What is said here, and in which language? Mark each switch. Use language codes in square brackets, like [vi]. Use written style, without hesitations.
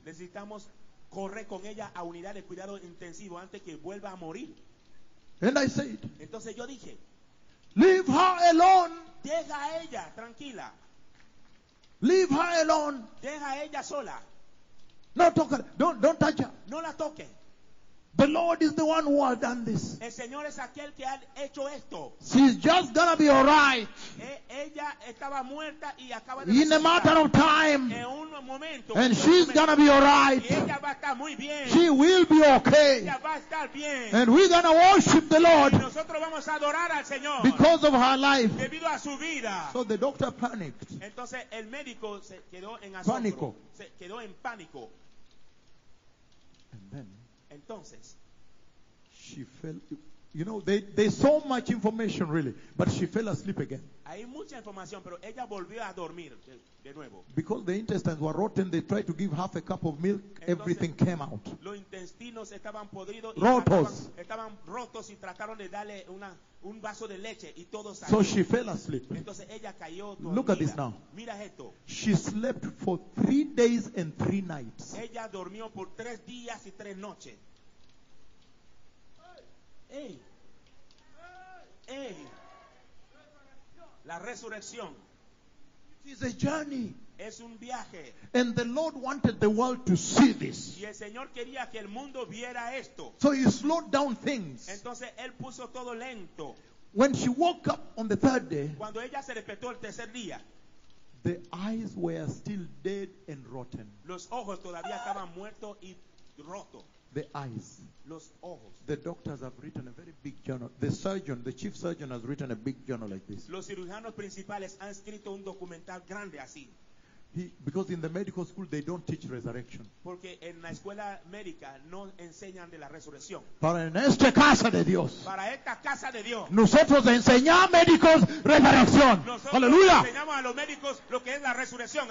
[es] Necesitamos correr con ella a unidad de cuidado intensivo antes que vuelva a morir. [en] And I said, [es] entonces yo dije, [en] leave her alone. [es] Deja a ella tranquila. [en] Leave her alone. [es] Deja ella sola. No toca. [en] Don't touch her. [es] No la toque. [en] The Lord is the one who has done this. [es] El Señor es aquel que ha hecho esto. [en] She's just gonna be alright. [es] Ella estaba muerta y acaba de [en] in [es] resucitar. [en] A matter of time. [es] En un momento, [en] and she's gonna be alright. [es] Ella va a estar muy bien. [en] She will be okay. [es] Ella va a estar bien. [en] And we're gonna worship the Lord. [es] Y nosotros vamos a adorar al Señor. [en] Because of her life. [es] Debido a su vida. [en] So the doctor panicked. [es] Entonces el médico se quedó en asombro. Pánico. Se quedó en pánico. [en] And then. [es] Entonces, [en] she fell You know, there's so much information really, but she fell asleep again. [es] Hay mucha información, pero ella volvió a dormir de nuevo. [en] Because the intestines were rotten, they tried to give half a cup of milk. [es] Entonces, [en] everything came out. [es] Los intestinos estaban podridos. Rotos. Estaban rotos y trataron de darle un vaso de leche y todo salió. [en] So she fell asleep. [es] Entonces ella cayó dormida. [en] Look at this now. [es] Mira esto. [en] She slept for 3 days and three nights. [es] Ella durmió por 3 días y 3 noches. Hey. Hey. La resurrección. [en] It is a journey. [es] Es un viaje. [en] And the Lord wanted the world to see this. [es] Y el Señor quería que el mundo viera esto. [en] So he slowed down things. [es] Entonces él puso todo lento. [en] When she woke up on the third day, [es] cuando ella se despertó el tercer día, [en] the eyes were still dead and rotten. [es] Los ojos todavía estaban muertos y rotos. [en] The eyes. [es] Los ojos. [en] The doctors have written a very big journal. The surgeon, the chief surgeon has written a big journal like this. [es] Los cirujanos principales han escrito un documental grande así. [en] Because in the medical school they don't teach resurrection. [es] Porque en la escuela médica no enseñan de la resurrección. Para en esta casa de Dios. Para esta casa de Dios. Nosotros enseñamos médicos resurrección. Aleluya. Enseñamos a los médicos lo que es la resurrección.